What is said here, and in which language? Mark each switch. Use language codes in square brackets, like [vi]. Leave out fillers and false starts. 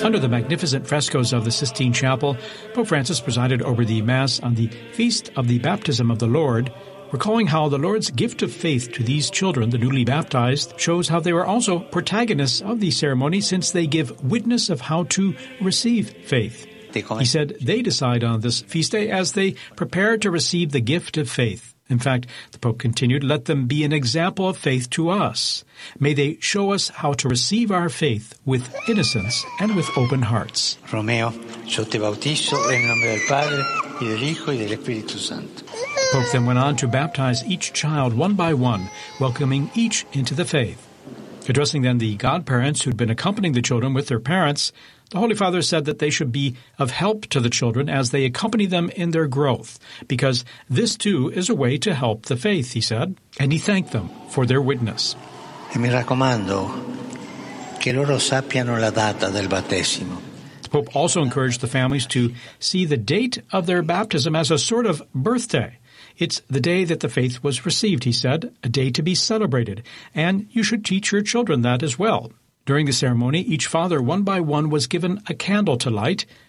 [en] Under the magnificent frescoes of the Sistine Chapel, Pope Francis presided over the Mass on the feast of the baptism of the Lord, recalling how the Lord's gift of faith to these children, the newly baptized, shows how they were also protagonists of the ceremony since they give witness of how to receive faith. He said they decide on this feast day as they prepare to receive the gift of faith. In fact, the Pope continued, "Let them be an example of faith to us. May they show us how to receive our faith with innocence and with open hearts." [it] Romeo, io ti bautizzo in nome del Padre, e dell'Hijo, e dello Spirito Santo. [en] The Pope then went on to baptize each child one by one, welcoming each into the faith. Addressing then the godparents who'd been accompanying the children with their parents, the Holy Father said that they should be of help to the children as they accompany them in their growth, because this too is a way to help the faith, he said, and he thanked them for their witness. [it] E mi raccomando che loro sappiano la data del battesimo. [en] The Pope also encouraged the families to see the date of their baptism as a sort of birthday. It's the day that the faith was received, he said, a day to be celebrated, and you should teach your children that as well. During the ceremony, each father, one by one, was given a candle to light.